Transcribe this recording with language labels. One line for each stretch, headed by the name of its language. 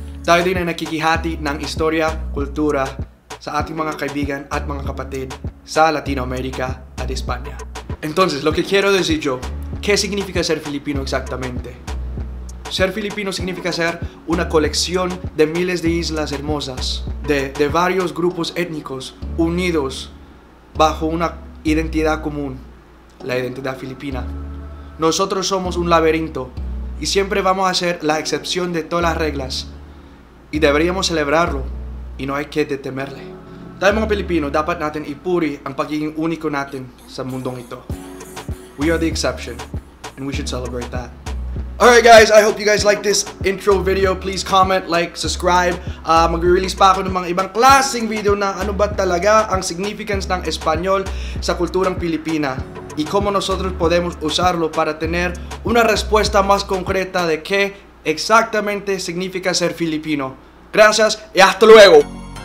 Filipino: Tayo din ay nakikihati ng istorya, kultura sa ating mga kaibigan at mga kapatid sa Latino America at Espanya.
Spanish: Entonces, lo que quiero decir yo, ¿qué significa ser Filipino exactamente? Ser Filipino significa ser una colección de miles de islas hermosas, de varios grupos étnicos unidos bajo una identidad común, la identidad filipina. Nosotros somos un laberinto y siempre vamos a ser la excepción de todas las reglas y deberíamos celebrarlo y no hay que detenerle.
Filipino: Tayo mga Pilipino, dapat natin ipuri ang pagiging único natin sa mundong ito.
English: We are the exception and we should celebrate that. Alright guys, I hope you guys like this intro video. Please comment, like, subscribe.
Filipino: Mag-release pa ako ng mga ibang klaseng video na ano ba talaga ang significance ng Espanyol sa kulturang Pilipina.
Spanish: Y cómo nosotros podemos usarlo para tener una respuesta más concreta de qué exactamente significa ser filipino. Gracias y hasta luego.